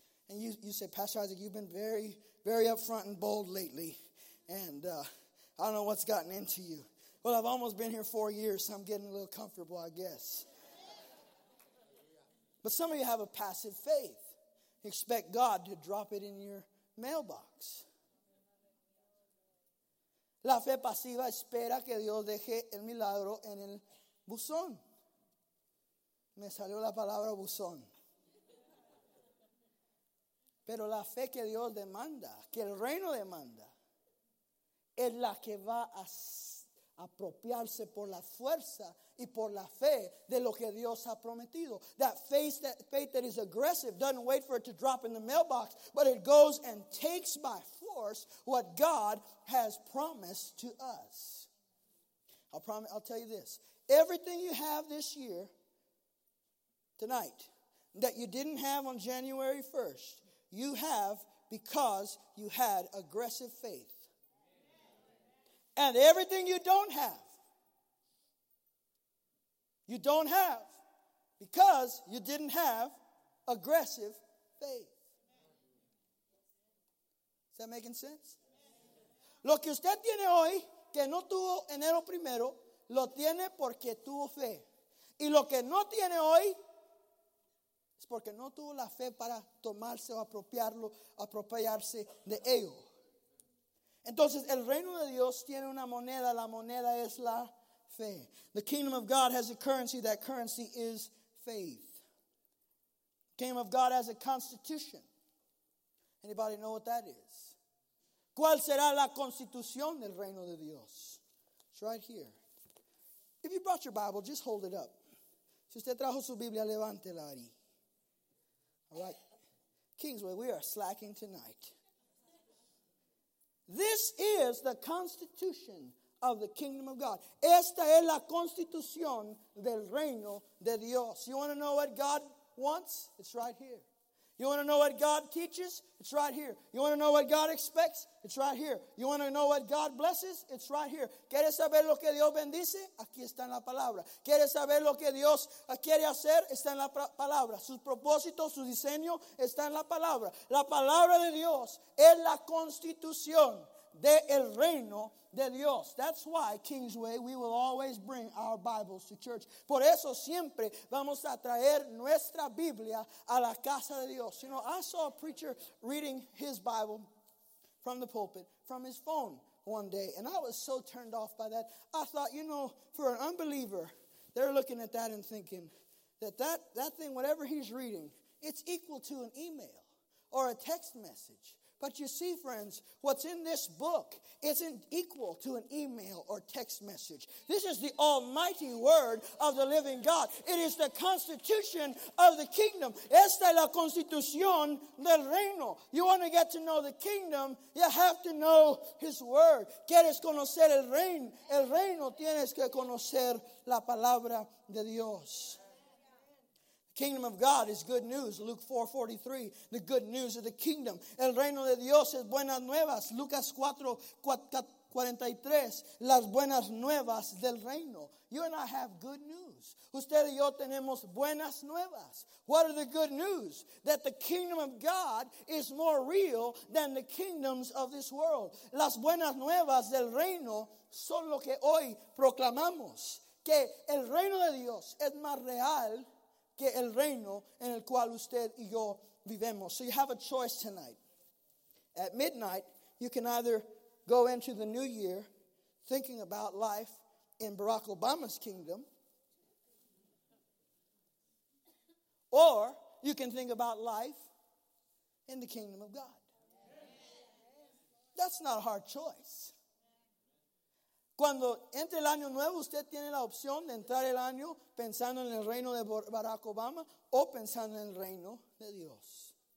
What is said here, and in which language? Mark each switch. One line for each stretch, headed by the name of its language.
English: You say, Pastor Isaac, you've been very, very upfront and bold lately, and I don't know what's gotten into you. Well, I've almost been here 4 years, so I'm getting a little comfortable, I guess. But some of you have a passive faith. You expect God to drop it in your mailbox.
Spanish: La fe pasiva espera que Dios deje el milagro en el buzón. Me salió la palabra buzón. Pero la fe que Dios demanda, que el reino demanda, es la que va a apropiarse por la fuerza y por la fe de lo que Dios ha prometido.
English: That faith that is aggressive doesn't wait for it to drop in the mailbox, but it goes and takes by force what God has promised to us. I'll tell you this. Everything you have this year, tonight, that you didn't have on January 1st, you have because you had aggressive faith. And everything you don't have because you didn't have aggressive faith. Is that making sense?
Spanish: Lo que usted tiene hoy, que no tuvo enero primero, lo tiene porque tuvo fe. Y lo que no tiene hoy, es porque no tuvo la fe para tomarse o apropiarse de ello. Entonces, el reino de Dios tiene una moneda. La moneda es la fe.
English: The kingdom of God has a currency. That currency is faith. Kingdom of God has a constitution. Anybody know what that is?
Spanish: ¿Cuál será la constitución del reino de Dios?
English: It's right here. If you brought your Bible, just hold it up.
Spanish: Si usted trajo su Biblia, levántela ahí.
English: All right. Kingsway, we are slacking tonight. This is the constitution of the kingdom of God.
Spanish: Esta es la constitución del reino de Dios.
English: You want to know what God wants? It's right here. You want to know what God teaches? It's right here. You want to know what God expects? It's right here. You want to know what God blesses? It's right here.
Spanish: ¿Quieres saber lo que Dios bendice? Aquí está en la palabra. ¿Quieres saber lo que Dios quiere hacer? Está en la palabra. Sus propósitos, su diseño, está en la palabra. La palabra de Dios es la constitución del reino de Dios.
English: That's why, Kingsway, we will always bring our Bibles to church.
Spanish: Por eso siempre vamos a traer nuestra Biblia a la casa de Dios.
English: You know, I saw a preacher reading his Bible from the pulpit, from his phone one day, and I was so turned off by that. I thought, you know, for an unbeliever, they're looking at that and thinking that thing, whatever he's reading, it's equal to an email or a text message. But you see, friends, what's in this book isn't equal to an email or text message. This is the almighty word of the living God. It is the constitution of the kingdom.
Spanish: Esta es la constitución del reino.
English: You want to get to know the kingdom, you have to know his word.
Spanish: Quieres conocer el reino. El reino tienes que conocer la palabra de Dios.
English: Kingdom of God is good news, Luke 4:43, the good news of the kingdom.
Spanish: El reino de Dios es buenas nuevas, Lucas 4:43, las buenas nuevas del reino.
English: You and I have good news.
Spanish: Usted y yo tenemos buenas nuevas.
English: What are the good news? That the kingdom of God is more real than the kingdoms of this world.
Spanish: Las buenas nuevas del reino son lo que hoy proclamamos, que el reino de Dios es más real que el reino en el cual usted y yo vivemos.
English: So you have a choice tonight. At midnight, you can either go into the new year thinking about life in Barack Obama's kingdom, or you can think about life in the kingdom of God. That's not a hard choice.
Spanish: Cuando entre el año nuevo, usted tiene la opción de entrar el año pensando en el reino de Barack Obama o pensando en el reino de Dios.